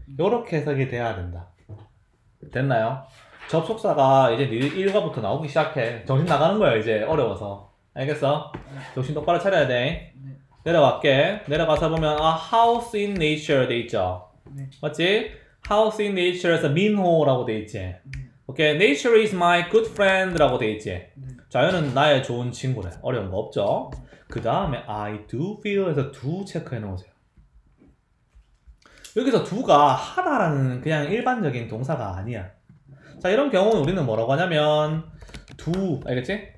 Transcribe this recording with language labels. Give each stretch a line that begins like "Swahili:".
Korean: 요렇게 해석이 돼야 된다. 됐나요? 접속사가 이제 니들 1과부터 나오기 시작해. 정신 나가는 거야 이제 어려워서. 알겠어? 정신 똑바로 차려야 돼. 네. 내려갈게. 내려가서 보면 아 house in nature 돼 있죠? 네. 맞지? house in nature에서 민호라고 돼 있지? 네. 오케이.
English: nature is my good friend라고
Korean: 돼 있지? 네. 자연은 나의 좋은 친구래. 어려운 거 없죠? 네. 그 다음에 I do feel에서 do 체크해 놓으세요. 여기서 do가 하다라는 그냥 일반적인 동사가 아니야. 자 이런 경우 우리는 뭐라고 하냐면 두 알겠지?